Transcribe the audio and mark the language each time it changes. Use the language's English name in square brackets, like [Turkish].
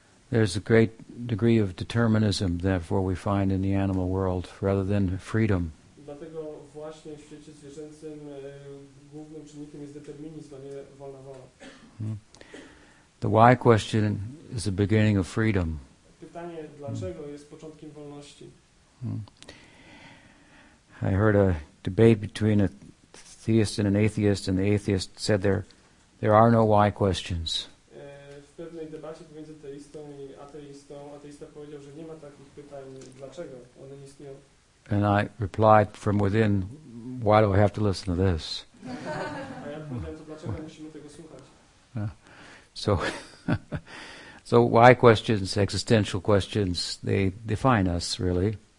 [English] There's a great degree of determinism, therefore, we find in the animal world rather than freedom. The why question is the beginning of freedom. [Polish] Pytanie, dlaczego jest początkiem wolności? [English] I heard a debate between a theist and an atheist, and the atheist said there are no why questions. [Polish] W pewnej debacie pomiędzy teistą i ateistą, ateista powiedział, że nie ma takich pytań, dlaczego one nie istnieją. [English] And I replied from within, why do I have to listen to this? [Polish] A ja odpowiadam, to dlaczego musimy tego słuchać? [English] So why questions, existential questions, they define us, really.